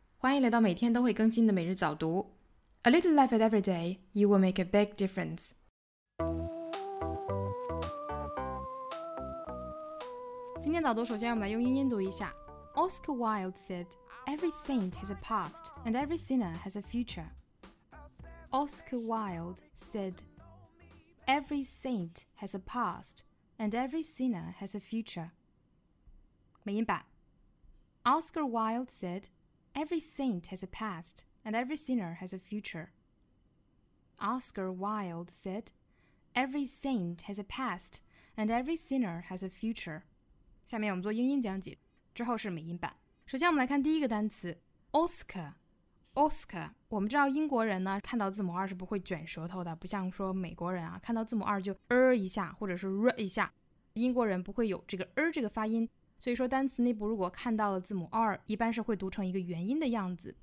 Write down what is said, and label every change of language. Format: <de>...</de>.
<zh>欢迎来到每天都会更新的每日早读。</zh> <en>A little life at every day, you will make a big difference.</en> <zh>今天早读首先我们来用英音读一下。</zh> <en>Oscar Wilde said, every saint has a past and every sinner has a future. Oscar Wilde said, every saint has a past and every sinner has a future.</en> <zh>美音版。</zh> <en>Oscar Wilde said, every saint has a past, and every sinner has a future. Oscar Wilde said, every saint has a past, and every sinner has a future.</en> <zh>下面我们做英音讲解，之后是美音版。首先我们来看第一个单词 Oscar。 Oscar， 我们知道英国人呢，看到字母二是不会卷舌头的，不像说美国人啊，看到字母二就一下，或者是一下。英国人不会有这个这个发音，所以说单词内部如果看到了字母二，一般是会读成一个元音的样子。</zh>